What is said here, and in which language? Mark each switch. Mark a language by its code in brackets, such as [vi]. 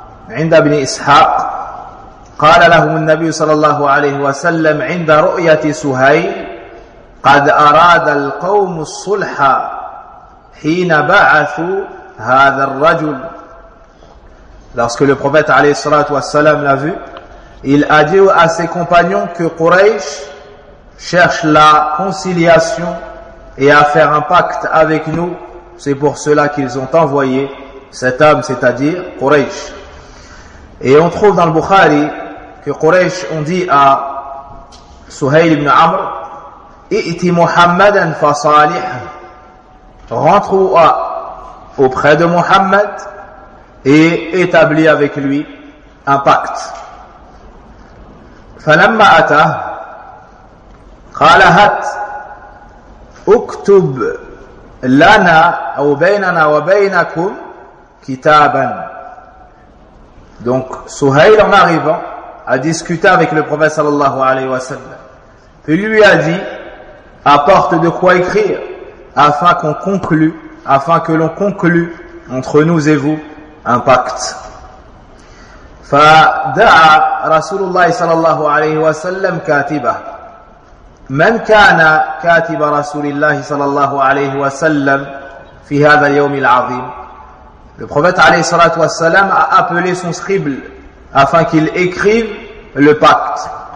[ar] عند ابن إسحاق قال له النبي صلى الله عليه وسلم عند رؤية سهيل قد أراد القوم الصلح حين بعثوا هذا الرجل. [fr] Lorsque le prophète [ar] عليه الصلاة والسلام [fr] l'a vu, il a dit à ses compagnons que Quraysh cherche la conciliation et à faire un pacte avec nous. C'est pour cela qu'ils ont envoyé cet homme, c'est-à-dire Quraysh. Et on trouve dans le Bukhari que Quraysh ont dit à Suhail ibn Amr, « [ar] I'ti Muhammadan fasalih [fr] » Rentre-toi auprès de Muhammad et établis avec lui un pacte. [ar] « Falamma ata » قال هات اكتب لنا او بيننا وبينكم كتابا. [fr] Donc Suhail, en arrivant, a discuté avec le prophète sallallahu alayhi wa sallam. Puis lui a dit, apporte de quoi écrire afin que l'on conclue entre nous et vous un pacte. [ar] فدعا رسول الله صلى الله عليه وسلم كاتبه. من كان كاتب رسول الله صلى الله عليه وسلم في هذا اليوم العظيم. [fr] Le prophète [ar] عليه الصلاة والسلام [fr] a appelé son scribe afin qu'il écrive le pacte.